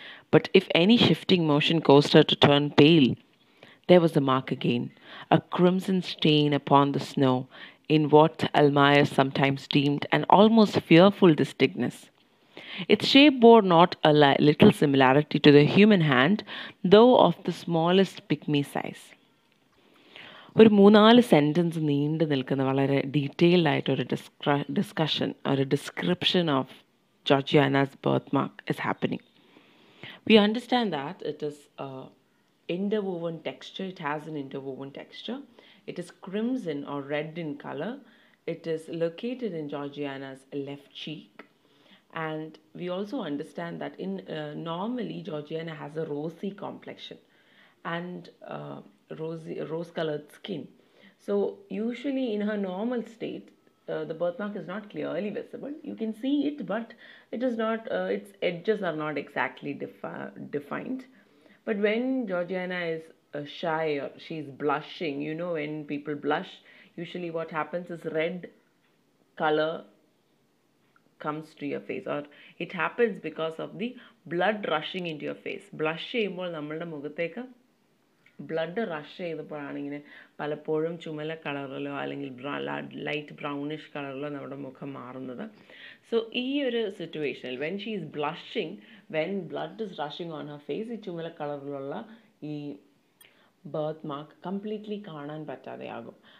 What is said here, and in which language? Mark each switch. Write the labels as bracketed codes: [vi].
[en] But if any shifting motion caused her to turn pale, there was the mark again, a crimson stain upon the snow in what Almira sometimes deemed an almost fearful distinctness. Its shape bore not a little similarity to the human hand, though of the smallest pygmy size. [ml] ഒരു മൂന്നാല് sentence നീണ്ടു നിൽക്കുന്ന വളരെ detailed ആയിട്ടൊരു discussion, ഒരു [en] Description of Georgiana's birthmark is happening. We understand that it is interwoven texture, it has an interwoven texture, it is crimson or red in colour, it is located in Georgiana's left cheek. And we also understand that in normally Georgiana has a rosy complexion and rose colored skin. So usually in her normal state the birthmark is not clearly visible. You can see it, but it is not its edges are not exactly defined. But when Georgiana is shy or she is blushing, you know, when people blush, usually what happens is red color comes to your face, or it happens because of the blood rushing into your face. [ml] Blush cheyumbol nammalde mugatheka blood rush ചെയ്തപ്പോഴാണ് ഇങ്ങനെ പലപ്പോഴും ചുമല കളറിലോ അല്ലെങ്കിൽ light brownish കളറിലോ നമ്മുടെ മുഖം മാറുന്നത്. So ഈ ഒരു സിറ്റുവേഷനിൽ [en] when she is blushing, when blood is rushing on her face, [ml] ഈ ചുമല കളറിലുള്ള ഈ ബേർത്ത് മാർക്ക് കംപ്ലീറ്റ്ലി കാണാൻ പറ്റാതെയാകും.